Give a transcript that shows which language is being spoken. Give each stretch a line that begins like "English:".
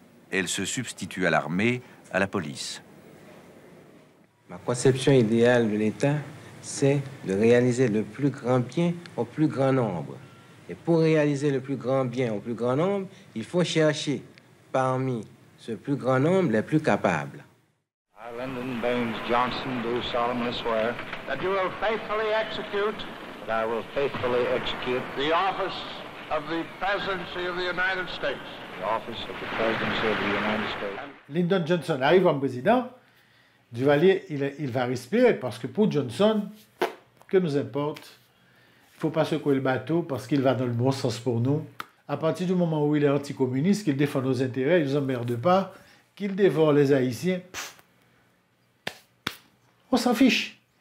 French: Elle se substitue à l'armée, à la police. Ma conception idéale de l'État, c'est de réaliser le plus grand bien au plus grand nombre. Et pour réaliser le plus grand bien au plus grand nombre, il faut chercher parmi ce plus grand nombre les plus capables.
English: I, Lyndon Baines Johnson, do solemnly swear that you will faithfully execute, that I will faithfully execute the office of the presidency of the United States.
French: Lyndon Johnson arrive en président, Duvalier, il va respirer parce que pour Johnson, que nous importe, il ne faut pas secouer le bateau parce qu'il va dans le bon sens pour nous. À partir du moment où il est anticommuniste, qu'il défend nos intérêts, il ne nous emmerde pas, qu'il dévore les Haïtiens, on s'en fiche.